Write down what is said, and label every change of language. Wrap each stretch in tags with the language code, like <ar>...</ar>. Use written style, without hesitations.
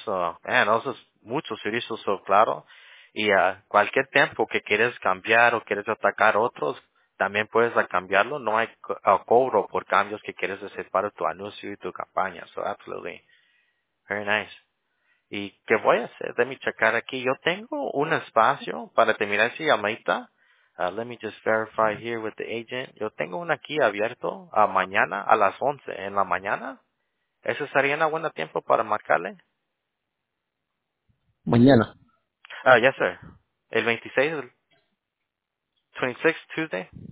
<es>So, man, eso es mucho servicio, so, claro. Y cualquier tiempo que quieres cambiar o quieres atacar otros, también puedes cambiarlo. No hay cobro por cambios que quieres hacer para tu anuncio y tu campaña.</es> <en>So, absolutely. Very nice.</en> <es>¿Y qué voy a hacer? Déjame checar aquí. Yo tengo un espacio para terminar esa llamadita.</es> <en>Let me just verify here with the agent.</en> <es>Yo tengo uno aquí abierto a mañana a las 11 en la mañana. ¿Ese sería un buen tiempo para marcarle? Mañana.</es> <en>Ah, yes, sir.</en> <es>El 26, el 26, Tuesday.</es>